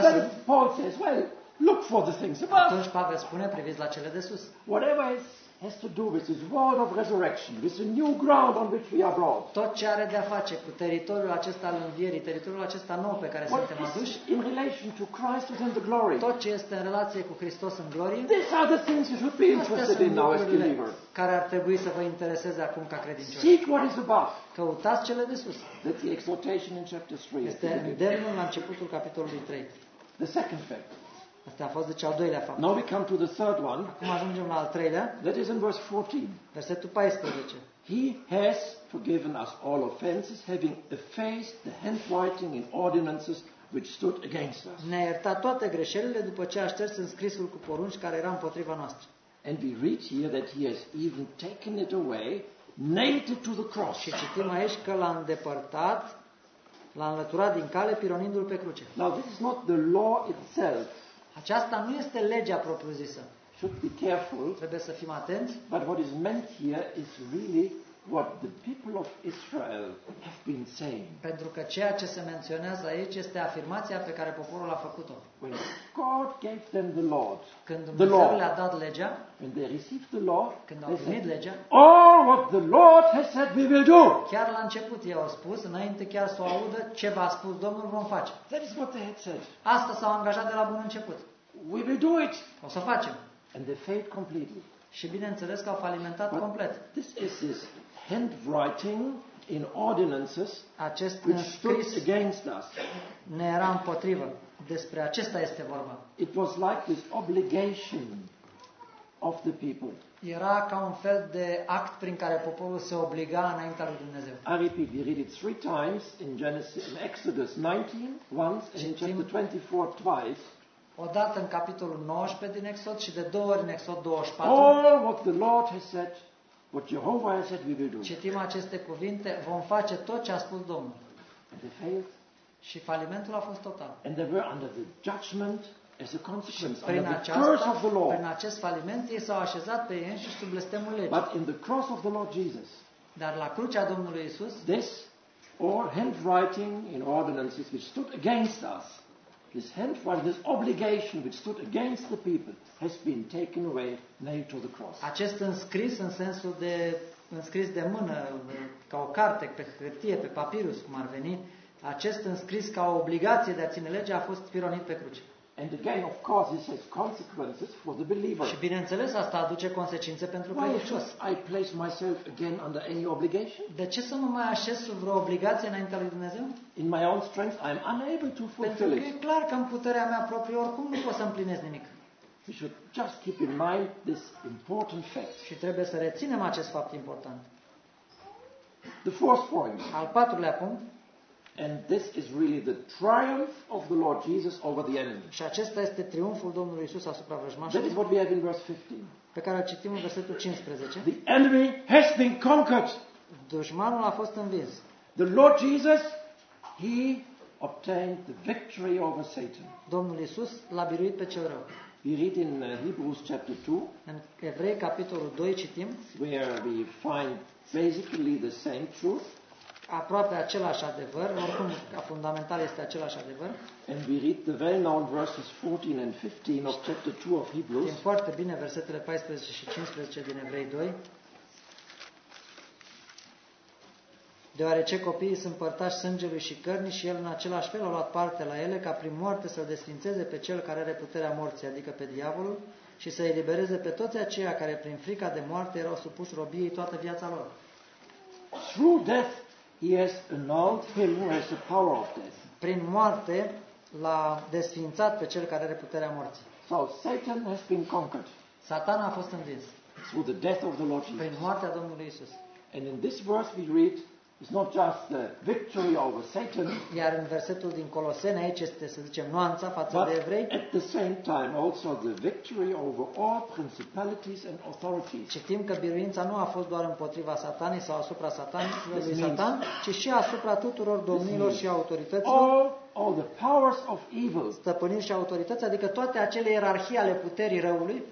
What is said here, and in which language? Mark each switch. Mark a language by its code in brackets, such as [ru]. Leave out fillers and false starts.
[ro] sunt. [en] Paul says, well, look for the things above. [ro] Atunci Pavel spune, priviți la cele de sus. [en] Whatever is has to do with this world of resurrection, with the new ground on which we are brought. [ro] Tot ce are de a face cu teritoriul acesta al învierii, teritoriul acesta nou pe care suntem aduși. [en] In relation to Christ within the glory. [ro] Tot ce este în relație cu Hristos în glorie. [en] These are the things you should be interested in now as believer. [ro] Care ar trebui să vă intereseze acum ca credincioși. [en] Seek what is above. [ro] Căutați cele de sus. [en] That's the exhortation in chapter 3. [ro] Este îndemnul la începutul capitolului 3. [en] The second fact. [ro] Asta a fost deci al doilea fapt. [en] Now we come to the third one. [ro] Acum ajungem la al treilea. [en] That is in verse 14. [ro] Versetul 14. [en] He has forgiven us all offenses, having effaced the handwriting in ordinances which stood against us. [ro] Ne-a iertat toate greșelile după ce a șters în scrisul cu porunci care era împotriva noastră. [en] And we read here that he has even taken it away, nailed it to the cross. [ro] Și citim aici că l-a îndepărtat, l-a înlăturat din cale, pironindu-l pe cruce. [en] Now this is not the law itself. [ro] Aceasta nu este legea propriu-zisă. [en] Should be careful. [ro] Trebuie să fim atenți. [en] But what is meant here is really what the people of Israel have been saying. [ro] Pentru că ceea ce se menționează aici este afirmația pe care poporul a făcut-o. [en] When God gave them the law. [ro] Când Dumnezeu le-a dat legea. [en] When they received the law. [ro] Când au primit legea. [en] All what the Lord has said we will do. [ro] Chiar la început ei au spus, înainte chiar să o audă, ce v-a spus Domnul vom face. [en] That is what they had said. [ro] Asta s-au angajat de la bun început. [en] We will do it. [ro] O să facem. [en] And they failed completely. [ro] Și bineînțeles că au falimentat complet. [en] This is this. Handwriting in ordinances [ro] acest [en] which stood against us. [ro] Ne era împotrivă. Despre acesta este vorba. [en] It was like this obligation of the people. [ro] Era ca un fel de act prin care poporul se obliga înaintea lui Dumnezeu. [en] I repeat, we read it three times in Genesis, in Exodus 19, once, and in chapter 24, twice. [ro] O dată în capitolul 19 din Exod și de două ori în Exod 24. [en] All what the Lord has said, what Jehovah has said, we will do. [ro] Citim aceste cuvinte, vom face tot ce a spus Domnul. [en] And they failed. [ro] Și falimentul a fost total. [en] And they were under the judgment as a consequence, [ro] prin [en] under the curse of the Lord. [ro] Prin acest faliment ei s-au așezat pe ei sub blestemul legii. [en] But in the cross of the Lord Jesus. [ro] Dar la crucea Domnului Isus. [en] This or handwriting in ordinances which stood against us. This handwriting, this obligation which stood against the people has been taken away, nailed to the cross. [ro] Acest înscris în sensul de înscris de mână ca o carte pe hârtie, pe papirus cum ar veni, acest înscris ca o obligație de a ține legea a fost pironit pe cruce. [en] And again, of course, this has consequences for the believer. [ro] Și bineînțeles, asta aduce consecințe pentru credincios. [en] I place myself again under any obligation? [ro] De ce să mă mai așez sub vreo obligație înaintea lui Dumnezeu? [en] In my own strength, I am unable to fulfill it. [ro] Pentru că e clar că în puterea mea proprie oricum nu pot să împlinesc nimic. [en] We should just keep in mind this important fact. [ro] Și trebuie să reținem acest fapt important. [en] The fourth point. [ro] Al patrulea punct. [en] And this is really the triumph of the Lord Jesus over the enemy. [ro] Și acesta este triumful Domnului Isus asupra vrăjmașilor. [en] That is what we have in verse 15. [ro] Pe care o citim în versetul 15. [en] The enemy has been conquered. [ro] Dușmanul a fost învins. [en] The Lord Jesus, he obtained the victory over Satan. [ro] Domnul Isus l-a biruit pe cel rău. [en] We read in Hebrews chapter 2. [ro] În Evrei capitolul 2 citim. [en] Where we find basically the same truth. [ro] Aproape același adevăr, oricum fundamental este același adevăr. [en] And we read the well-known verses 14 and 15 of chapter 2 of Hebrews. [ro] Știm foarte bine versetele 14 și 15 din Evrei 2. Deoarece copiii sunt părtași sângelui și cărnii și el în același fel a luat parte la ele ca prin moarte să-l desfințeze pe cel care are puterea morții, adică pe diavolul, și să elibereze pe toți aceia care prin frica de moarte erau supuși robiei toată viața lor. [en] Through death he has annulled him who has the power of death. [ro] Prin moarte l-a desființat pe cel care are puterea morții. [en] So Satan has been conquered. [ro] Satan a fost învins. [en] Through the death of the Lord Jesus. [ro] Prin moartea Domnului Isus. [en] And in this verse we read it's not just the victory over Satan. [ro] Iar în versetul din Coloseni aici este, să zicem, nuanța față de evrei. [en] At the same time also the victory over all principalities and authorities. [ro] Citim că biruința nu a fost doar împotriva Satanei sau asupra Satanului Satan, ci și asupra tuturor domnilor și autorităților. [en] All the powers of evil. [ro] Stăpâniri și autorități, adică toate acele ierarhii ale puterii răului.